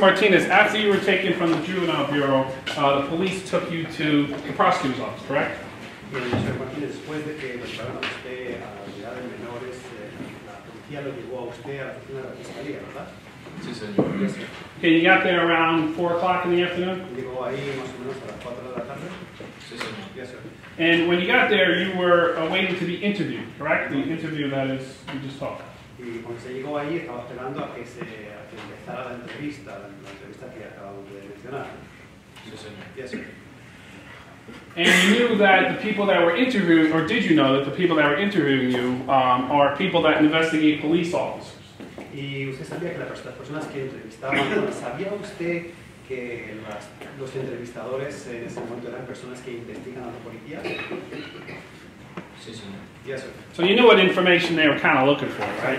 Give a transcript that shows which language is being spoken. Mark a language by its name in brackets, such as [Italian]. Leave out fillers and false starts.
[English] Martinez, after you were taken from the Juvenile Bureau, the police took you to the prosecutor's office, correct? [Spanish] Después de que llevaron a usted a la unidad de menores, la policía lo llevó a usted a la fiscalía, ¿verdad? Sí, señor. [English] Yes, sir. Okay, you got there around 4 o'clock in the afternoon? [Spanish] Llegó ahí más o menos a las 4 de la tarde. Sí, señor. [English] Yes, sir. And when you got there, you were waiting to be interviewed, correct? The interview that is you just talked. [Spanish] Y cuando se llegó ahí, estaba esperando a que empezara la entrevista que acabamos de mencionar. Sí, señor. [English] Yes, sir. And you knew that the people that were interviewing, or did you know that the people that were interviewing you are people that investigate police officers? [Spanish] Y usted sabía que las personas que entrevistaban, ¿sabía usted que los entrevistadores en ese momento eran personas que investigan a la policía? Sí, señor. [English] Yes, sir. So you knew what information they were kind of looking for, right?